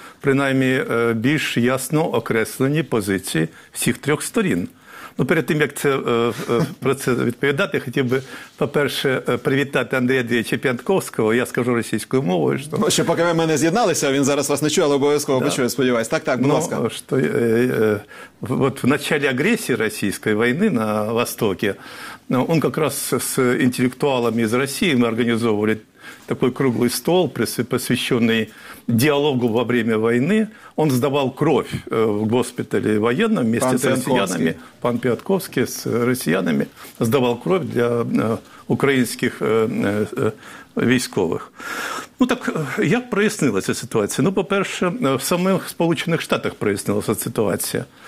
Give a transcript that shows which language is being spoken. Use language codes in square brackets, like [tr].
[uk] Принаймні, більш ясно окреслені позиції всіх трьох сторін. Ну, перед тим, як про це відповідати, хотів би, по-перше, привітати Андрія Дмитровича П'янтковського. Я скажу російською мовою. Що... Ну, ще поки ми не з'єдналися, він зараз вас не чує, але обов'язково почує, сподіваюсь. Так, будь ласка. Що, от в началі агресії російської війни на Востокі, [ru] он как раз с интеллектуалами из России, мы организовывали такой круглый стол, посвященный диалогу во время войны. Он сдавал кровь в госпитале военном вместе с россиянами. Пан Пятковский с россиянами сдавал кровь для украинских [uk] військових. Ну так, як прояснилася ситуація? Ну, по-перше, в самих Сполучених Штатах прояснилася ситуація.